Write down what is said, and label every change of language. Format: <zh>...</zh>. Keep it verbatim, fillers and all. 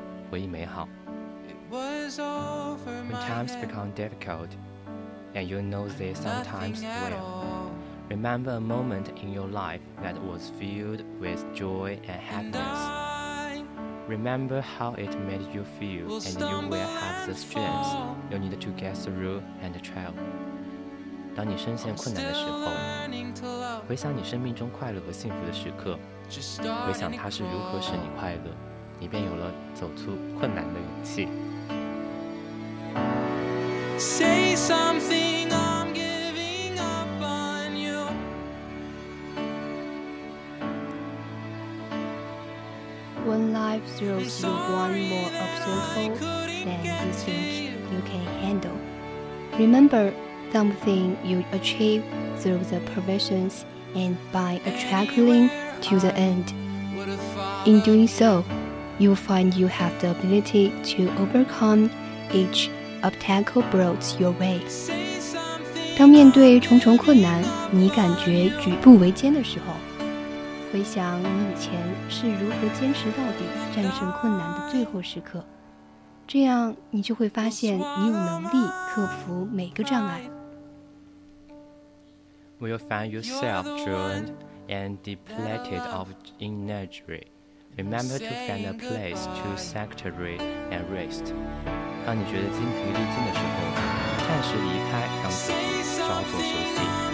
<zh>回忆美好</zh> <en>When times become difficult, and you know they sometimes will. Remember a moment in your life that was filled with joy and happiness. Remember how it made you feel, and you will have the strength you need to get through and travel.</en> <zh>当你深陷困难的时候，回想你生命中快乐和幸福的时刻，回想它是如何使你快乐，你便有了走出困难的勇气。</zh> <en>Say something, I'm giving up on. When life throws you one more obstacle than you think you can handle, remember something you achieve through the provisions and by attracting to the end. In doing so, you find you have the ability to overcome each obstacle brought your way.</en> <zh>当面对重重困难，你感觉举步维艰的时候，回想你以前是如何坚持到底战胜困难的最后时刻，这样你就会发现你有能力克服每个障碍。</zh> <en>Will find yourself drained and depleted of energy. Remember to find a place to sanctuary and rest.</en> <zh>当你觉得精疲力尽的时候，暂时离开场所，稍作休息。</zh>